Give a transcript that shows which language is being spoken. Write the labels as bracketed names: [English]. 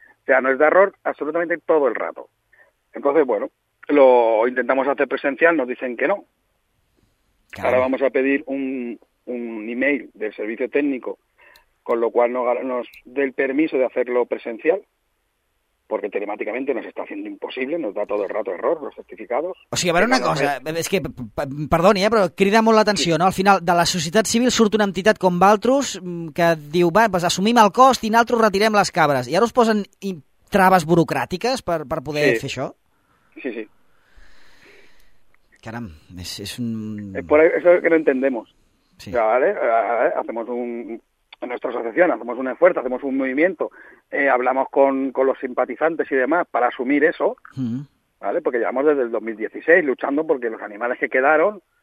[Spanish] O sea, nos da error absolutamente todo el rato. Entonces, bueno, lo intentamos hacer presencial, nos dicen que no. Claro. Ahora vamos a pedir un email del servicio técnico, con lo cual nos dé el permiso de hacerlo presencial, porque telemáticamente nos está haciendo imposible, nos da todo el rato error los certificados. [Catalan] O sigui, a veure una cosa, és que, perdoni, però crida molt l'atenció, sí. No? Al final, de la societat civil surt una entitat com Valtros que diu, va, pues assumim el cost i nosaltres retirem les cabres. I ara us posen traves burocràtiques per poder fer això? Sí, sí. Caram, és un... [Spanish] És por eso que no entendemos. Sí. ¿Vale? Hacemos un... En nuestra asociación hacemos un esfuerzo, hacemos un movimiento, hablamos con los simpatizantes y demás para asumir eso, ¿vale? Porque llevamos desde el 2016 luchando porque los animales que quedaron